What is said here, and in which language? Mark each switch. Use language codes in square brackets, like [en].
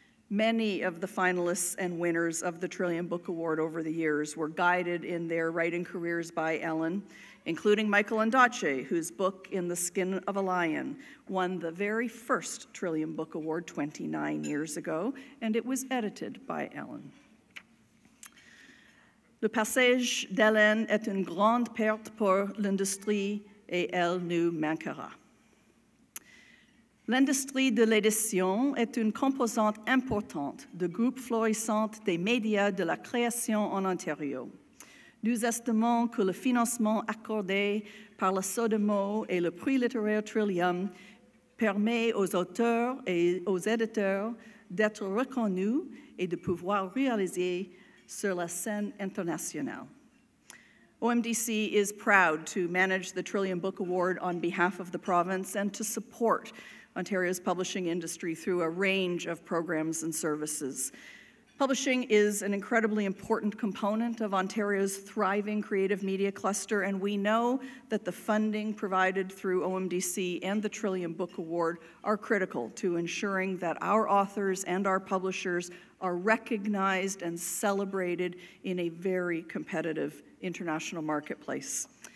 [en] Many of the finalists and winners of the Trillium Book Award over the years were guided in their writing careers by Ellen, including Michael Ondaatje, whose book, In the Skin of a Lion, won the very first Trillium Book Award 29 years ago, and it was edited by Ellen. [fr] Le passage d'Ellen est une grande perte pour l'industrie et elle nous manquera. L'industrie de l'édition est une composante importante du groupe florissant des médias de la création en Ontario. Nous estimons que le financement accordé par la SODEMO et le Prix littéraire Trillium permet aux auteurs et aux éditeurs d'être reconnus et de pouvoir réaliser sur la scène internationale. [en] OMDC is proud to manage the Trillium Book Award on behalf of the province and to support Ontario's publishing industry through a range of programs and services. Publishing is an incredibly important component of Ontario's thriving creative media cluster, and we know that the funding provided through OMDC and the Trillium Book Award are critical to ensuring that our authors and our publishers are recognized and celebrated in a very competitive international marketplace.